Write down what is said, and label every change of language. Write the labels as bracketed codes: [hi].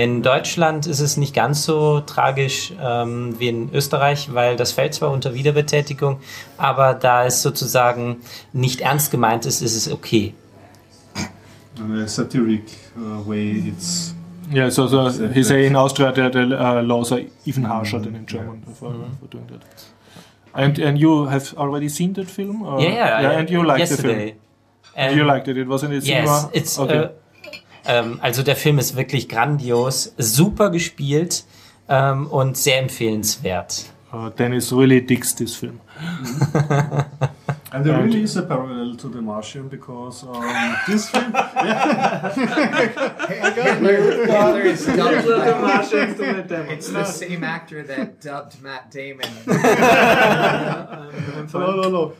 [de] In Deutschland ist es nicht ganz so tragisch wie in Österreich, weil das fällt zwar unter Wiederbetätigung, aber da es sozusagen nicht ernst gemeint ist, ist es okay. [en] In a satiric way, it's... Yeah, so he say in Austria the laws are even harsher than in German for doing that. And you have already seen that film? Or? Yeah. And you liked the film? Yesterday. You liked it? It was in the cinema? Yes, it's... Okay. [de] Also der Film ist wirklich grandios, super gespielt und sehr empfehlenswert. [en] Dennis really digs this film. And there really is a parallel to The Martian because this film. Yeah. Hey, I got your father is dubbed The Martian. It's the same actor that dubbed Matt Damon. No.